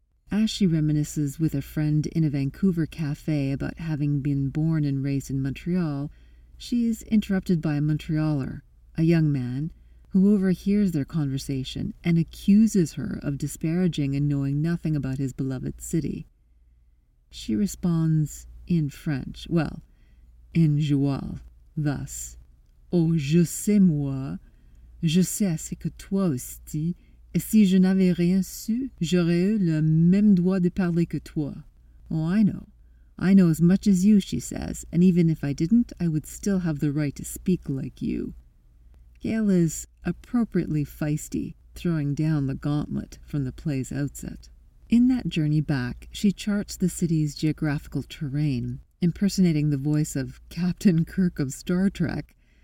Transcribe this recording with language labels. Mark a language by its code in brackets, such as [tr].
[en] As she reminisces with a friend in a Vancouver cafe about having been born and raised in Montreal, she's interrupted by a Montrealer, a young man, who overhears their conversation and accuses her of disparaging and knowing nothing about his beloved city. She responds in French, well, in joual, thus, [fr] Oh, je sais moi, je sais ce que toi aussi, et si je n'avais rien su, j'aurais eu le même droit de parler que toi. [en] Oh, I know as much as you, she says, and even if I didn't, I would still have the right to speak like you. Gail is appropriately feisty, throwing down the gauntlet from the play's outset. In that journey back, she charts the city's geographical terrain, impersonating the voice of Captain Kirk of Star Trek.